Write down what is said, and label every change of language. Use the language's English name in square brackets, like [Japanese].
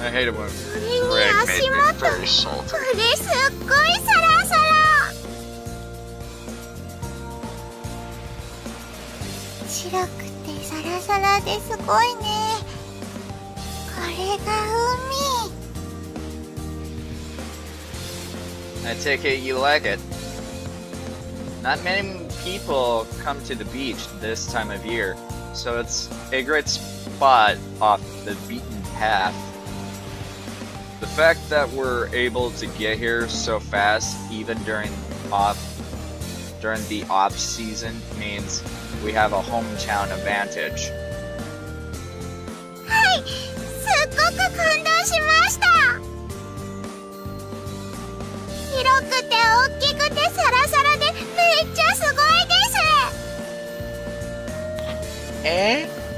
[English] I hate it when Greg made me very salty. [Japanese] これすっごいサラサラ。白くてサラサラですごいね。これが海。 [English] I take it you like it. Not many people come to the beach this time of year, so it's a great spot off the beaten path. The fact that we're able to get here so fast, even during the off season, means. We have a hometown advantage. [Japanese] はい、すっごく感動しました。広くて大きくてサラサラでめっちゃすごいです。え？